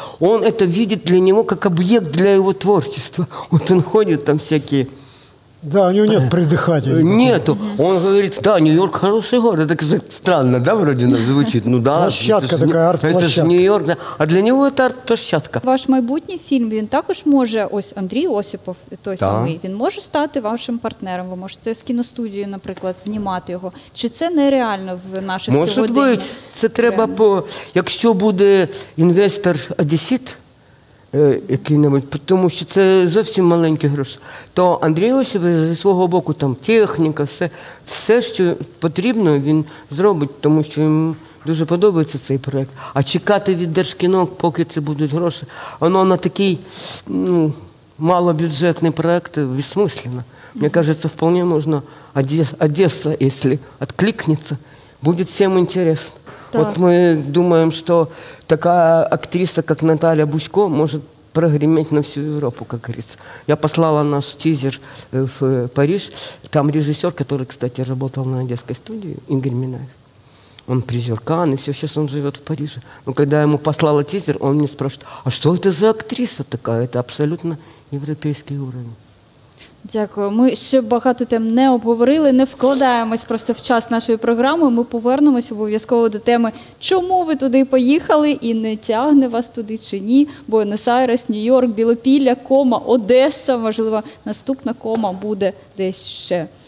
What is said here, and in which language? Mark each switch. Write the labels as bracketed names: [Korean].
[Russian] Он это видит для него как объект для его творчества. Вот он ходит там всякие... Да, у него нет придыхания. Нету. Он говорит, да, Нью-Йорк хороший город. Это странно, да, вроде звучит. Ну да. Площадка такая, арт-площадка. Это же Нью-Йорк. А для него это арт-площадка. [Ukrainian] Ваш майбутній фільм, він також може, ось Андрій Осипов, той самий, він може стати вашим партнером. Ви можете з кіностудією, наприклад, знімати його. Чи це нереально в наших сьогодні? Може бути. Це треба, якщо буде інвестор одесіт, який-небудь, тому що це зовсім маленькі гроші, то Андрій Осипов зі свого боку, там, техніка, все, що потрібно, він зробить, тому що йому дуже подобається цей проєкт. А чекати від Держкіно, поки це будуть гроші, воно на такий, ну, малобюджетний проєкт безсмислено. Мені кажеться, вполне можна Одеса, якщо відкликнеться, буде всім цікаво. Так. От ми думаємо, що така актриса, як Наталя Бузько, може прогреметь на всю Європу, як говориться. Я послала наш тизер в Париж. Там режисер, який, [Russian] кстати, работал на Одесской [Ukrainian] студії, Ігор Минаєв, [Russian] он призер Канн, и все, сейчас он живет в Париже. Но когда я ему послала тизер, он мне спрашивает, а что это за актриса такая? Это абсолютно европейский уровень. [Ukrainian] Дякую. Ми ще багато тем не обговорили, не вкладаємось просто в час нашої програми. Ми повернемось обов'язково до теми, чому ви туди поїхали і не тягне вас туди чи ні. Буенос-Айрес, Нью-Йорк, Білопілля, Кома, Одеса, можливо, наступна Кома буде десь ще.